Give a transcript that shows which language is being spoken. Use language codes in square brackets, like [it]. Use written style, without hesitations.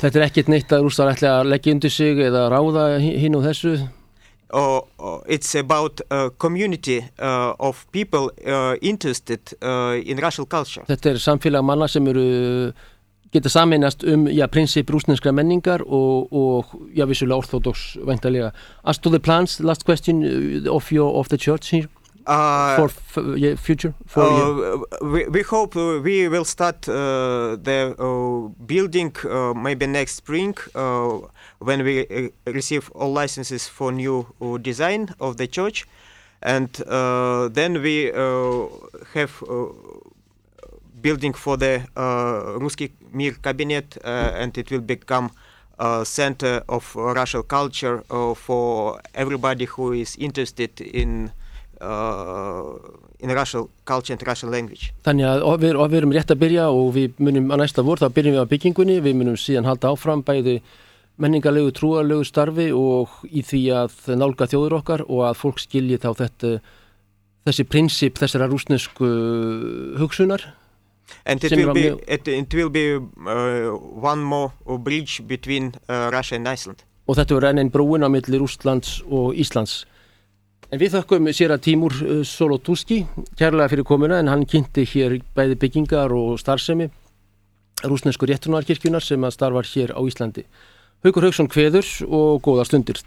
[is] Þetta ekkert neitt að rússar ætla að leggja undir sig eða ráða hinn og þessu. [en] It's about a community of people interested in Russian culture. [is] Þetta samfélag manna sem eru geta sameinast ja prinsipp rússneskrar menningar og ja vissulega orthodox væntanlega. [en] As to the plans, last question of the church here for future for We hope we will start the building maybe next spring. When we receive all licenses for new design of the church, and then we have building for the Ruski Mir cabinet, and it will become a center of Russian culture for everybody who is interested in Russian culture and Russian language. [is] Þannig að við erum rétt að byrja og við munum að næsta vor, þá byrjum við á byggingunni, við munum síðan halda áfram bæði menningalegu, trúarlegu starfi og í því að nálga þjóður okkar og að fólk skilji þá þessi prinsip þessara rússnesku hugsunar. [en] And it will be one more bridge between Russia and Iceland. [is] Og þetta verður enn ein brúin á milli Rússlands og Íslands. En við þökkum séra Tímur Solotúski, kærlega fyrir komuna, en hann kynnti hér bæði byggingar og starfsemi rússnesku réttrúnaðarkirkjunar sem að starfar hér á Íslandi. Haukur Hauksson kveður og góða stundir.